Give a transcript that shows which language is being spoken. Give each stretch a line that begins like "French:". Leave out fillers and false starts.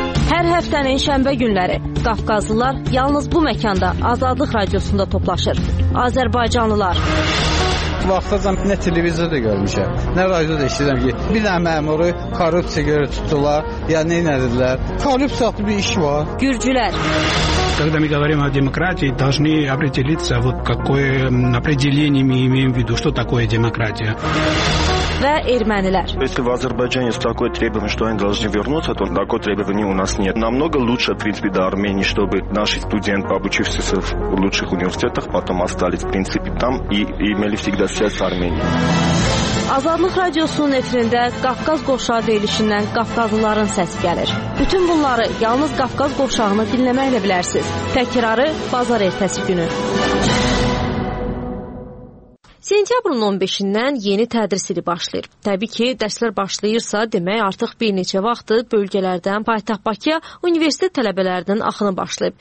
Azerbaijani: Hər həftənin şənbə günləri Qafqazlılar yalnız bu məkanda Azadlıq Radiosunda toplaşır. Azərbaycanlılar. Vaxtacan nə televizorda görmüşəm, nə radioda işləyirəm ki, bir dənə məmuru korrupsiya görə tutdular, ya nə edirlər? Korrupsiya adlı bir iş var. Gürcülər.
Russian: Когда мы говорим о демократии, должны определиться, вот какое определение мы имеем в виду, что такое демократия.
Azerbaijani: Və ermənilər.
Russian: Если в Азербайджане есть такое требование, что они должны вернуться, то такое требование у нас нет. Намного лучше, в принципе, до Армении, чтобы наши студенты, обучившиеся в лучших университетах, потом остались, в принципе, там и имели всегда связь с Арменией.
Azerbaijani: Azadlıq Radiosunun efirində Qafqaz Qoşağı verilişindən Qafqazlıların səsi gəlir. Bütün bunları yalnız Qafqaz Qoşağını dinləməklə bilərsiniz. Təkrarı bazar ertəsi günü. Sentyabrın 15-dən yeni tədris ili başlayır. Təbii ki, dərslər başlayırsa, demək artıq bir neçə vaxtı bölgələrdən paytaxt Bakıya universitet tələbələrinin axını başlayıb.